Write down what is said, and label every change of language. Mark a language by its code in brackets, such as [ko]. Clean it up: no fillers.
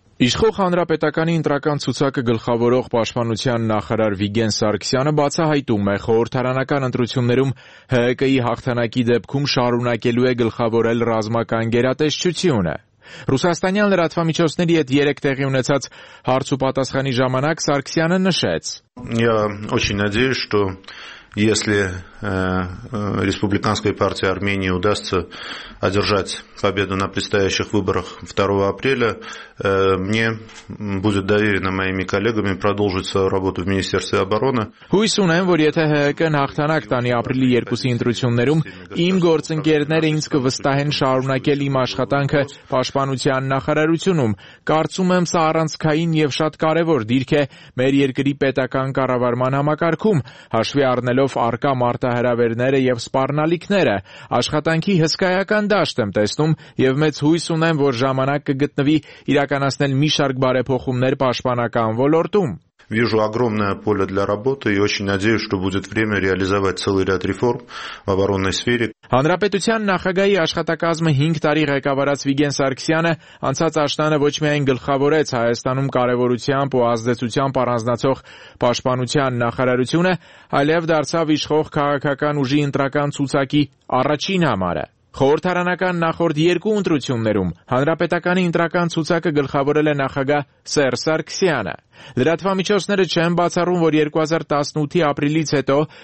[hy] Իշխող հանրապետականի ընտրական ցուցակը գլխավորող պաշտպանության նախարար Վիգեն Սարգսյանը բացահայտում է խորհրդարանական ընտրություններում ՀԿ-ի հաղթանակի դեպքում շարունակելու է գլխավորել ռազմական գերատեսչությունը։ Ռուսաստանյան լրատվամիջոցների հետ 3 տեղի ունեցած հարց ու պատասխանի ժամանակ Սարգսյանը նշեց. [ru] Я очень надеюсь, что если Республиканской партии Армении удастся одержать победу на предстоящих выборах 2 апреля, мне будет доверено моими коллегами продолжить свою работу в Министерстве обороны. [hy] Հույս ունեմ, որ եթե ՀԿ-ն հաղթանակ տանի ապրիլի 2-ի ընտրություններում, իմ գործընկերները ինձ կվստահեն շարունակել իմ աշխատանքը Պաշտպանության նախարարությունում։ Կարծում եմ, սա առանցքային եւ շատ կարեւոր դիրք է մեր երկրի պետական կառավարման համակարգում, հաշվի առնելով ստանալով արկա մարտահրավերները եւ սպառնալիքները։ Աշխատանքի հսկայական դաշտ եմ տեսնում եւ մեծ հույս ունեմ, որ ժամանակ կգտնվի իրականացնել մի շարք բարեփոխումներ պաշտպանական ոլորտում։ [ru] Вижу огромное поле для работы и очень надеюсь, что будет время реализовать целый ряд реформ в оборонной сфере. [hy] Հանրապետության նախագահի աշխատակազմը 5 տարի ղեկավարած Վիգեն Սարգսյանը անցած աշնանը ոչ միայն գլխավորեց Հայաստանում կարևորությամբ ու ազդեցությամբ առանձնացող պաշտպանության նախարարությունը, այլև դարձավ իշխող քաղաքական ուժի ընտրական ցուցակի առաջին համարը։ Խորհրդարանական նախորդ երկու ընտրություններում հանրապետականի ընտրական ցուցակը գլխավորել է նախագահ Սերժ Սարգսյանը։ Լրատվամիջոցները չեն բացառում, որ 2018-ի ապրիլից հետո,